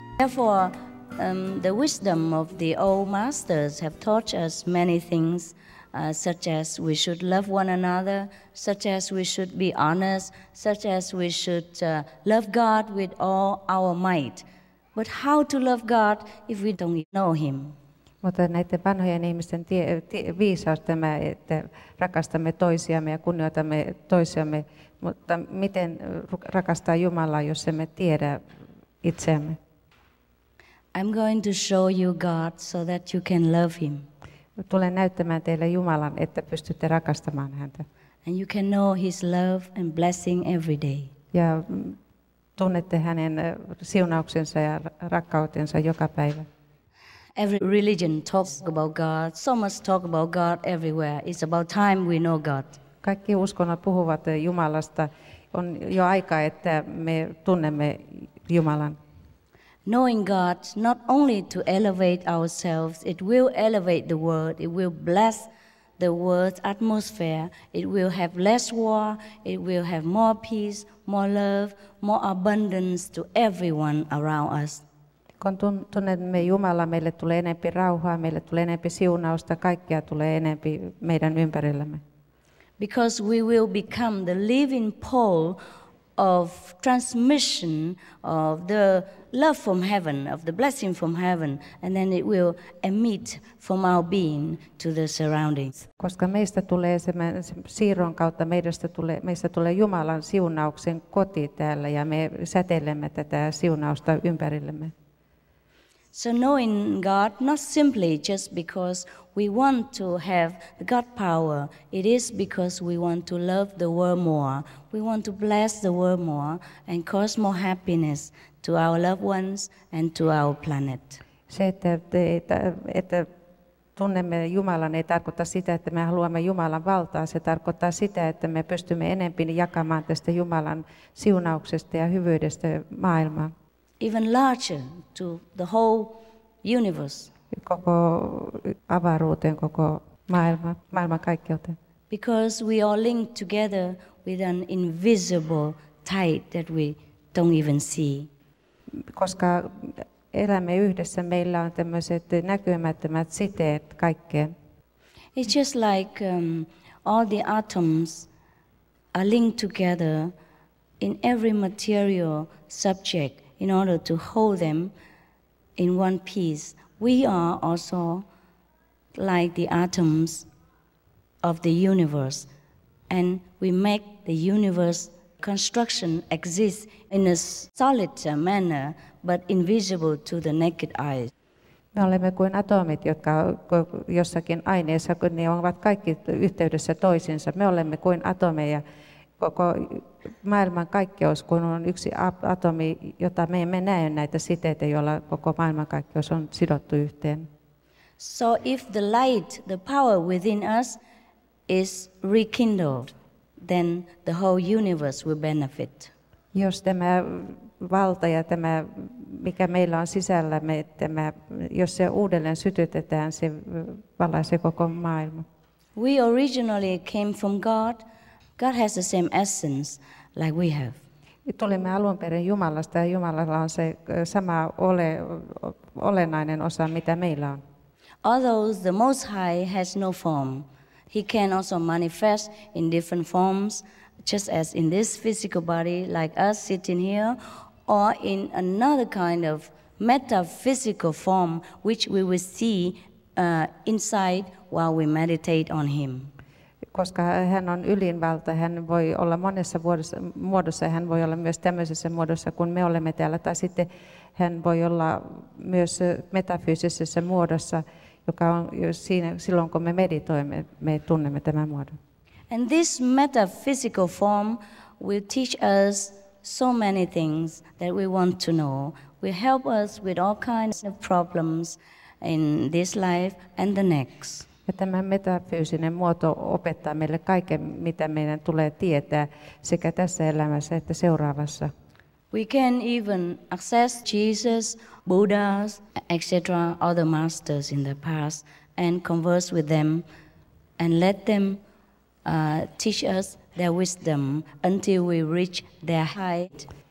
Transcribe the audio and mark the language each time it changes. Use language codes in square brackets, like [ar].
[en] Therefore, the wisdom of the old masters have taught us many things, such as we should love one another, such as we should be honest, such as we should love God with all our might. But how to love God if we don't know Him? [fi] Mutta näiden vanhojen ihmisten viisaus tämä, että rakastamme toisiamme ja kunnioitamme toisiamme, mutta miten rakastaa Jumalaa, jos emme tiedä itseämme? [en] I'm going to show you God so that you can love Him. [fi] Tulen näyttämään teille Jumalan, että pystytte rakastamaan häntä. [en] And you can know His love and blessing every day. [fi] Ja tunnette hänen siunauksensa ja rakkautensa joka päivä. [en] Every religion talks about God. So much talk about God everywhere. It's about time we know God. [fi] Kaikki uskonnot puhuvat Jumalasta. On jo aika, että me tunnemme Jumalan. [en] Knowing God, not only to elevate ourselves, it will elevate the world, it will bless the world's atmosphere, it will have less war, it will have more peace, more love, more abundance to everyone around us. [fi] Kun tunnemme Jumalaa, meille tulee enempi rauhaa, meille tulee enempi siunausta, kaikkea tulee enempi meidän ympärillämme. [en] Because we will become the living pole of transmission of the love from heaven, of the blessing from heaven, and then it will emit from our being to the surroundings. [fi] Koska meistä tulee siirron kautta, meistä tulee Jumalan siunauksen koti täällä, ja me säteilemme tätä siunausta ympärillemme. [en] So knowing God, not simply just because we want to have the God power, it is because we want to love the world more, we want to bless the world more, and cause more happiness to our loved ones and to our planet. [fi] Se, että tunnemme Jumalan, ei tarkoita sitä, että me haluamme Jumalan valtaa, se tarkoittaa sitä, että me pystymme enemmän jakamaan tästä Jumalan siunauksesta ja hyvyydestä maailmaan. [en] Even larger to the whole universe. [fi] Koko avaruuteen, koko maailman kaikkeuteen. [en] Because we are linked together with an invisible tie that we don't even see. [fi] Koska elämme yhdessä, meillä on tämmöiset näkymättömät siteet kaikkeen. [en] It's just like all the atoms are linked together in every material subject. In order to hold them in one piece, we are also like the atoms of the universe, and we make the universe construction exist in a solid manner, but invisible to the naked eye. [fi] Me olemme kuin atomit, jotka jossakin aineessa, kun ne ovat kaikki yhteydessä toisiinsa. Me olemme kuin atomeja. Koko maailman kaikkeus, kun on yksi atomi, jota me emme näe näitä siteitä, joilla koko maailman kaikkeus on sidottu yhteen. [en] So if the light, the power within us is rekindled, then the whole universe will benefit. [fi] Jos tämä valta ja tämä, mikä meillä on sisällämme, tämä, jos se uudelleen sytytetään, se valaisee koko maailma. [en] We originally came from God. God has the same essence like we have. [fi] Tulemme alun perin Jumalasta ja Jumalalla on se sama olennainen osa, mitä meillä on. [en] Although the Most High has no form, he can also manifest in different forms, just as in this physical body, like us sitting here, or in another kind of metaphysical form, which we will see inside while we meditate on him. [fi] Koska hän on ylinvalta, hän voi olla monessa muodossa, hän voi olla myös tämmöisessä muodossa, kun me olemme täällä, tai sitten hän voi olla myös metafyysisessä muodossa, joka on siinä, silloin kun me meditoimme, me tunnemme tämän muodon. [en] And this metaphysical form will teach us so many things that we want to know, will help us with all kinds of problems in this life and the next. [fi] Ja tämä metafyysinen muoto opettaa meille kaiken, mitä meidän tulee tietää sekä tässä elämässä että seuraavassa. [en] We can even access Jesus, Buddha, etc., other masters in the past, and converse with them, and let them teach us their wisdom until we reach their height.